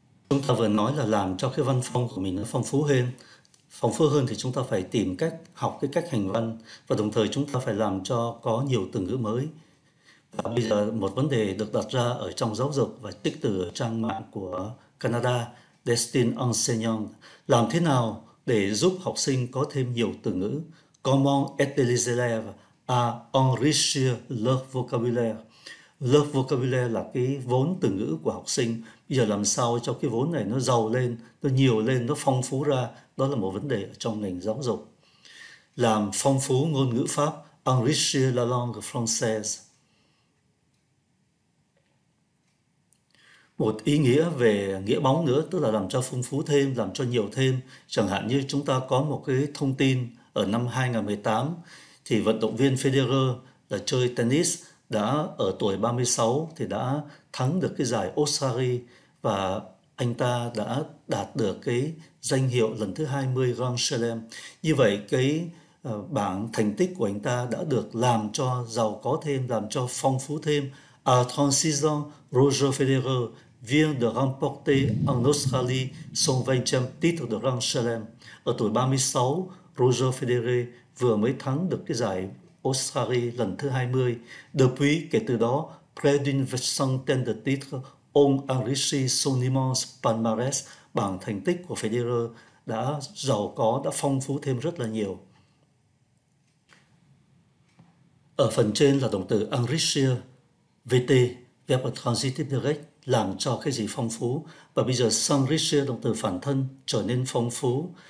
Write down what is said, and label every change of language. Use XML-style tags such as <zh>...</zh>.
<vi>Chúng ta vừa nói là làm cho cái văn phong của mình nó phong phú hơn. Phong phú hơn thì chúng ta phải tìm cách học cái cách hành văn, và đồng thời chúng ta phải làm cho có nhiều từ ngữ mới. Và bây giờ một vấn đề được đặt ra ở trong giáo dục và trích từ trang mạng của Canada, Destin Enseignant. Làm thế nào để giúp học sinh có thêm nhiều từ ngữ?</vi> <fr>Comment aider les élèves à enrichir leur vocabulaire?</fr> <vi>Leur vocabulaire là cái vốn từ ngữ của học sinh. Bây giờ làm sao cho cái vốn này nó giàu lên, nó nhiều lên, nó phong phú ra? Đó là một vấn đề trong ngành giáo dục. Làm phong phú ngôn ngữ Pháp,</vi> <fr>enrichir la langue française.</fr> <vi>Một ý nghĩa về nghĩa bóng nữa, tức là làm cho phong phú thêm, làm cho nhiều thêm. Chẳng hạn như chúng ta có một cái thông tin ở năm 2018, thì vận động viên Federer là chơi tennis, đã ở tuổi 36 thì đã thắng được cái giải Osari, và anh ta đã đạt được cái danh hiệu lần thứ 20 Grand Slam. Như vậy cái bảng thành tích của anh ta đã được làm cho giàu có thêm, làm cho phong phú thêm.</vi> <fr>À 36 ans, Roger Federer vient de remporter en Australie son 20e titre de Grand Slam.</fr> <vi>Ở tuổi 36, Roger Federer vừa mới thắng được cái giải Australie lần thứ 20.</vi> <fr>Depuis,</fr> <vi>kể từ đó,</vi> <fr>près d'une centaine de titres ont enrichi son immense palmarès.</fr> <vi>Bảng thành tích của Federer đã giàu có, đã phong phú thêm rất là nhiều. Ở phần trên là động từ enrichir, VT, verb transitif direct, làm cho cái gì phong phú. Và bây giờ sanrishya động từ phản thân trở nên phong phú.</vi>